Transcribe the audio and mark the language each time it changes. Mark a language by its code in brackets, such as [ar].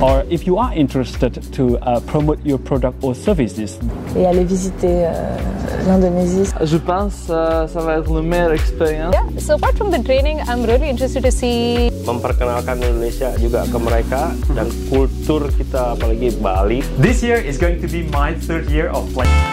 [en] if you are interested to promote your product or services. [fr] Et aller visiter l'Indonésie. Je pense ça va être la meilleure expérience. [en] Yeah, so apart from the training, I'm really interested to see. [id] Memperkenalkan Indonesia juga ke mereka dan kultur kita apalagi Bali. [en] This year is going to be my third year of flying.